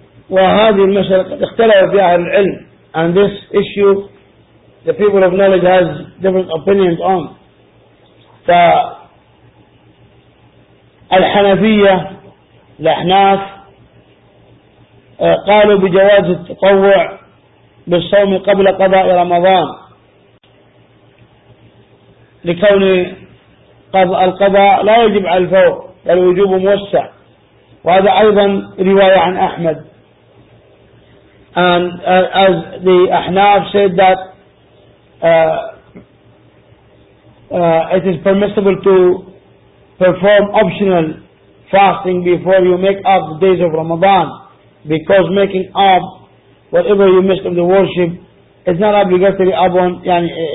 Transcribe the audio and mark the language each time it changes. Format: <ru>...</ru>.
<ar>وهذه المسألة قد اختلف فيها أهل العلم.</ar> <en>And this issue the people of knowledge has different opinions on.</en> <ar>فالحنفية الأحناف قالوا بجواز التطوع بالصوم قبل قضاء رمضان لكون القضاء لا يجب على الفور، بل الوجوب موسع. وهذا أيضا رواية عن أحمد.</ar> <en>And as the Ahnaf said that it is permissible to perform optional fasting before you make up the days of Ramadan, because making up whatever you missed of the worship is not obligatory upon, yani,</en>